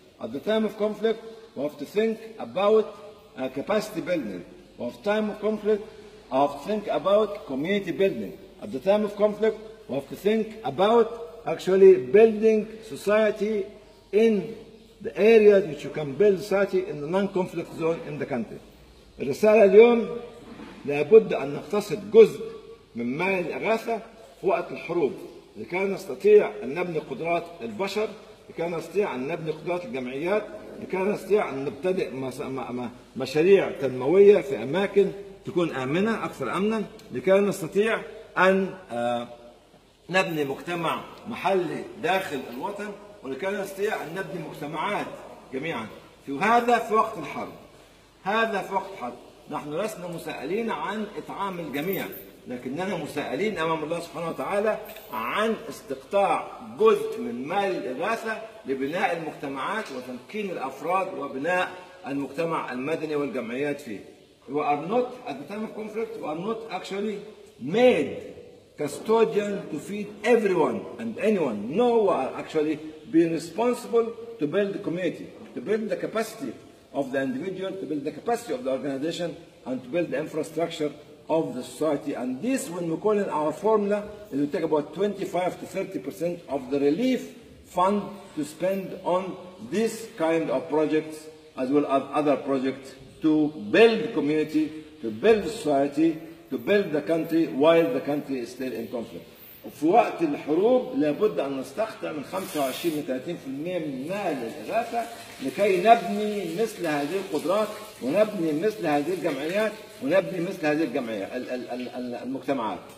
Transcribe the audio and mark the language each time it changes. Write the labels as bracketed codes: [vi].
[en] At the time of conflict, we have to think about capacity building. We have time of conflict, we have to think about community building. At the time of conflict, we have to think about actually building society in the areas which you can build society in the non-conflict zone in the country. [ar] الرسالة اليوم لابد أن نقتصد جزء من مال الإغاثة في وقت الحروب لكي نستطيع أن نبني قدرات البشر, لكي نستطيع أن نبني قدرات الجمعيات, لكي نستطيع أن نبتدئ مشاريع تنموية في أماكن تكون آمنة أكثر أمنا, لكي نستطيع أن نبني مجتمع محلي داخل الوطن, ولكي نستطيع أن نبني مجتمعات جميعا في هذا في وقت الحرب. هذا في وقت حد نحن لسنا مسائلين عن إطعام الجميع, لكننا مسائلين أمام الله سبحانه وتعالى عن استقطاع جزء من مال الإغاثة لبناء المجتمعات وتمكين الأفراد وبناء المجتمع المدني والجمعيات فيه. [en] We are not at the time of conflict, we are not actually made custodian to feed everyone and anyone. No, we are actually being responsible to build the community, to build the capacity of the individual, to build the capacity of the organization, and to build the infrastructure of the society. And this, when we call in our formula, it will take about 25% to 30% of the relief fund to spend on this kind of projects, as well as other projects, to build community, to build society, to build the country while the country is still in conflict. [ar] في وقت الحروب لابد أن نستخدم من 25-30% من مال الإغاثة لكي نبني مثل هذه القدرات ونبني مثل هذه الجمعيات ونبني مثل هذه المجتمعات.